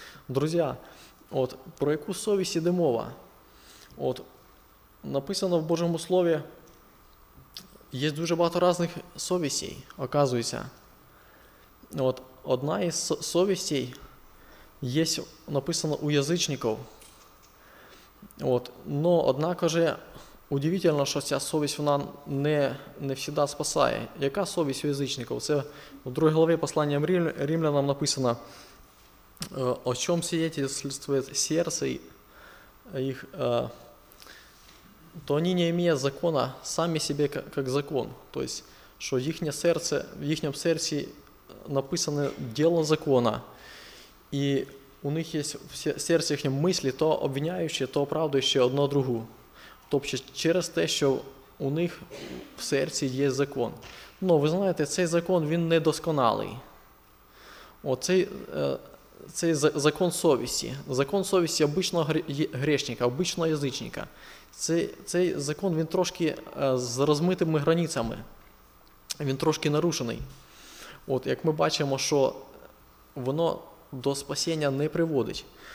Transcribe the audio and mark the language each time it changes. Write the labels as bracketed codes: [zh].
[uk] Друзі, от, про яку совість іде мова? От, написано в Божому Слові, є дуже багато різних совістей, оказується. От, одна із совістей є, написано, у язичників. От, но, однак, же, удивительно, що ця совість, вона не всегда спасає. Яка совість у язичників? Це в 2 главі послання Римлянам написано, [ru] о чем свидетельствует сердце их, то они, не имея закона, сами себе как закон. То есть, что ихнее сердце, в ихнем сердце написано дело закона, и у них есть в сердце их мысли, то обвиняющие, то оправдывающие одно другую. То есть, через то, что у них в сердце есть закон. Но вы знаете, [uk] цей закон, він недосконалий. Оцей це закон совісті. Закон совісті обичного грешника, обичного язичника. Цей закон, він трошки з розмитими границями. Він трошки нарушений. От, як ми бачимо, що воно до спасіння не приводить.